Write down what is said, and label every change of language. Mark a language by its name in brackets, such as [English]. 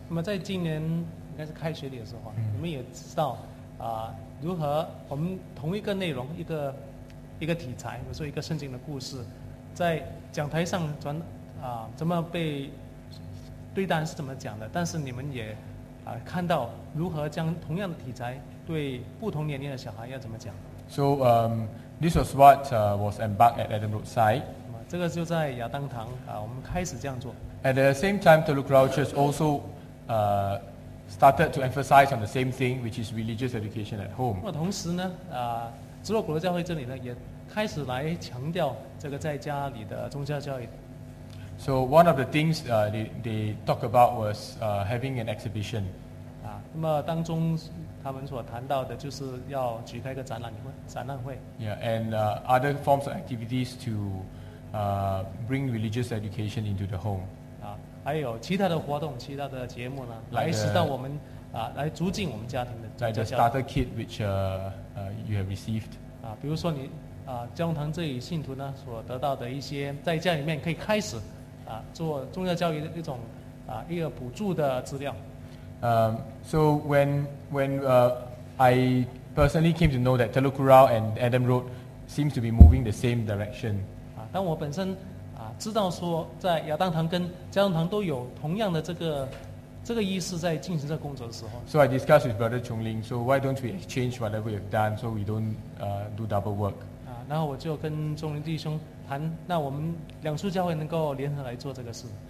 [Chinese] 那么在今年应该是开学的时候，我们也知道如何我们同一个内容一个题材，比如说一个圣经的故事。在讲台上怎么被对待是怎么讲的，但是你们也看到如何将同样的题材对不同年龄的小孩要怎么讲。 [English] So this was what was embarked at Adam Roadside. [Chinese] 这个就在亚当堂我们开始这样做。 [English] At the same time, Telok Kurau Church also started to emphasize on the same thing, which is religious education at home. [Chinese] 那同时呢直洛古罗教会这里呢也开始来强调这个在家里的宗教教育。 [English] So one of the things they talk about was having an exhibition. [Chinese] 那么当中他们所谈到的就是要举开一个展览会。 [English] Yeah, and other forms of activities to bring religious education into the home. [Chinese] 还有其他的活动、其他的节目呢， [English] like、 [Chinese] 来使到我们来促进我们家庭的宗教教育。 [English] Like the starter kit which you have received. [Chinese] 比如说你。教堂这里信徒呢所得到的一些在家里面可以开始做宗教教育的一种一个补助的资料。 [English] So when I personally came to know that Telok Kurau and Adam Road seems to be moving the same direction. [Chinese] 当我本身知道说在亚当堂跟教堂都有同样的这个意思在进行这工作的时候。 [English] So I discussed with Brother Chung Ling, so why don't we exchange whatever we've done so we don't do double work? [Chinese] 然后我就跟中林弟兄谈，那我们两处教会能够联合来做这个事。